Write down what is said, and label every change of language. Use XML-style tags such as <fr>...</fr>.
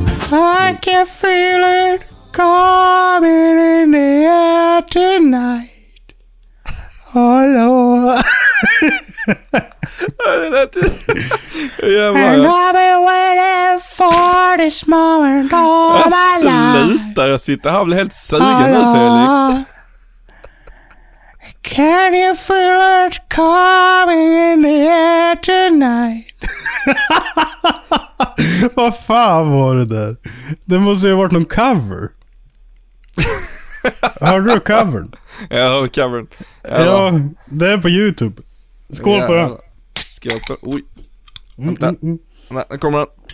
<en>I can feel it coming in the air tonight.</en> <sv>Hallå.</sv> <en>And I've been waiting for this moment all my life.</en> <sv>Sluta, jag sitter här och blir helt sugen nu, Felix.</sv> <en>Can you feel it coming in the air tonight?</en> <sv>Vad fan var det där? Det måste ju ha varit någon cover. Har du covern? Ja, covern. Ja, det är på YouTube. Skål på den. Skål på. Oj. Vänta. Nej, nu kommer den.</sv>